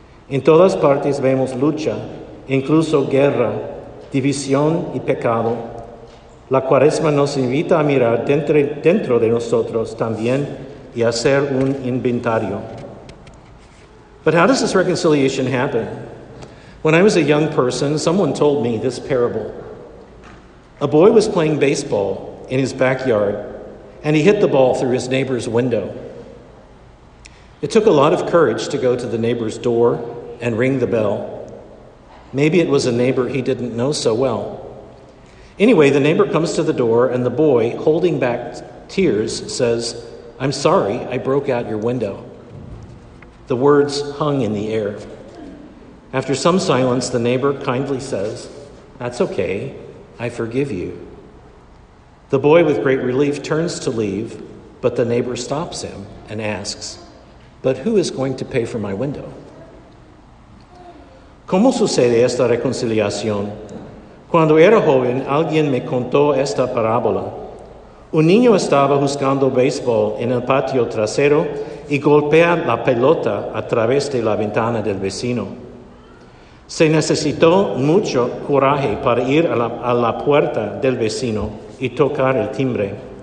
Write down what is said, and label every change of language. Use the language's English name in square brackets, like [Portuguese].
[Spanish] En todas partes vemos lucha, incluso guerra, división y pecado. La Cuaresma nos invita a mirar dentro de nosotros también y hacer un inventario. [English] But how does this reconciliation happen? When I was a young person, someone told me this parable. A boy was playing baseball in his backyard, and he hit the ball through his neighbor's window. It took a lot of courage to go to the neighbor's door and ring the bell. Maybe it was a neighbor he didn't know so well. Anyway, the neighbor comes to the door, and the boy, holding back tears, says, "I'm sorry, I broke out your window." The words hung in the air. After some silence, the neighbor kindly says, "That's okay, I forgive you." The boy, with great relief, turns to leave, but the neighbor stops him and asks, "But who is going to pay for my window?" [Spanish] ¿Cómo sucede esta reconciliación? Cuando era joven, alguien me contó esta parábola. Un niño estaba jugando béisbol en el patio trasero y golpea la pelota a través de la ventana del vecino. Se necesitó mucho coraje para ir a la puerta del vecino y tocar el timbre.